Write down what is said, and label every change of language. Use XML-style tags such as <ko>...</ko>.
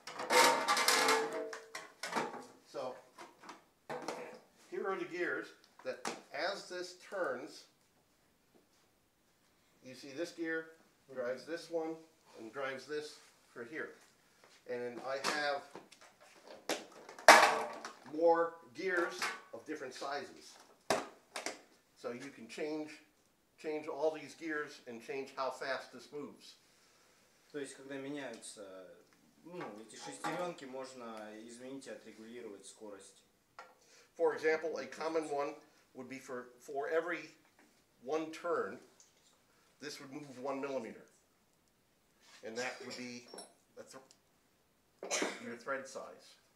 <en>So here are the gears that as this turns, you see this gear drives this one and drives this for here. And I have more gears of different sizes. So you can change all these gears and change how fast this moves.</en> <ru>То есть, когда меняются, ну, эти шестеренки, можно изменить и отрегулировать скорость.</ru> <en>For example, a common one would be for every one turn, this would move 1 millimeter, and that would be your thread size.</en>